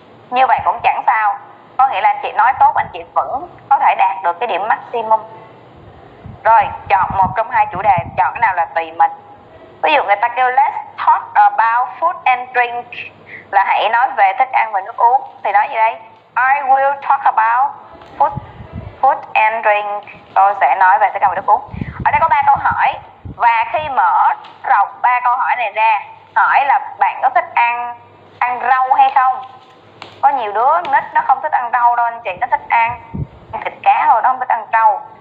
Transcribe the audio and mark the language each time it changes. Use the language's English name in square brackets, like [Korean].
[Vietnamese] Như vậy cũng chẳng sao, có nghĩa là anh chị nói tốt, anh chị vẫn có thể đạt được cái điểm maximum. Rồi, chọn một trong hai chủ đề, chọn cái nào là tùy mình. Ví dụ người ta kêu [English] let's talk about food and drink, [Vietnamese] là hãy nói về thức ăn và nước uống, thì nói gì đây? [English] I will talk about food and drink. [Vietnamese] Tôi sẽ nói về thức ăn và nước uống. Ở đây có 3 câu hỏi, và khi mở rộng 3 câu hỏi này ra, hỏi là bạn có thích ăn rau hay không? Có nhiều đứa nít nó không thích ăn rau đâu anh chị, nó thích ăn thịt cá thôi, nó không thích ăn rau.